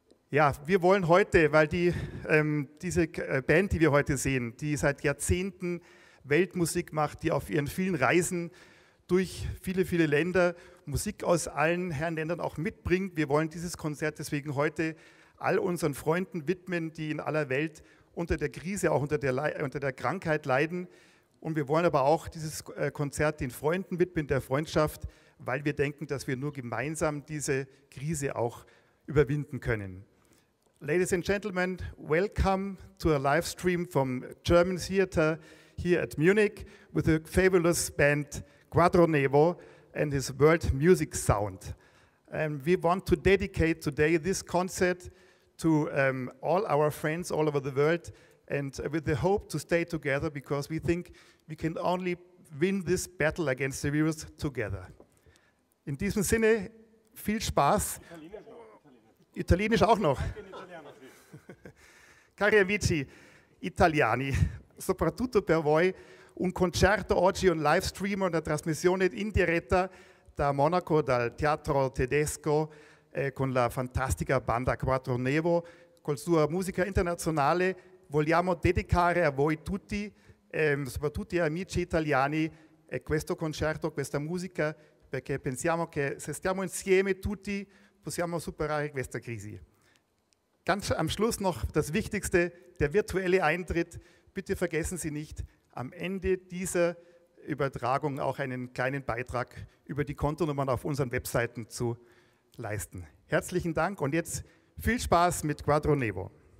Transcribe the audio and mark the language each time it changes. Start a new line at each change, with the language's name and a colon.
German: Ja, wir wollen heute, weil diese Band, die wir heute sehen, die seit Jahrzehnten Weltmusik macht, die auf ihren vielen Reisen durch viele, viele Länder Musik aus allen Herren Ländern auch mitbringt, wir wollen dieses Konzert deswegen heute all unseren Freunden widmen, die in aller Welt unter der Krise, auch unter der Krankheit leiden. Und wir wollen aber auch dieses Konzert den Freunden widmen, der Freundschaft, weil wir denken, dass wir nur gemeinsam diese Krise auch überwinden können.
English: Ladies and gentlemen, welcome to a live stream from German Theater here at Munich with the fabulous band Quattro Nebo and his world music sound. And we want to dedicate today this concert to all our friends all over the world and with the hope to stay together because we think we can only win this battle against the virus together.
German: In diesem Sinne, viel Spaß. Italienisch auch noch.
Italian: Cari amici italiani, soprattutto per voi, un concerto oggi, un live stream, una trasmissione in diretta da Monaco, dal Teatro Tedesco, con la fantastica banda Quattro Nebo, col suo musica internazionale, vogliamo dedicare a voi tutti, soprattutto ai amici italiani, questo concerto, questa musica, perché pensiamo che se stiamo insieme tutti, possiamo superare questa crisi.
German: Ganz am Schluss noch das Wichtigste, der virtuelle Eintritt. Bitte vergessen Sie nicht, am Ende dieser Übertragung auch einen kleinen Beitrag über die Kontonummern auf unseren Webseiten zu leisten. Herzlichen Dank und jetzt viel Spaß mit Quattro Nebo.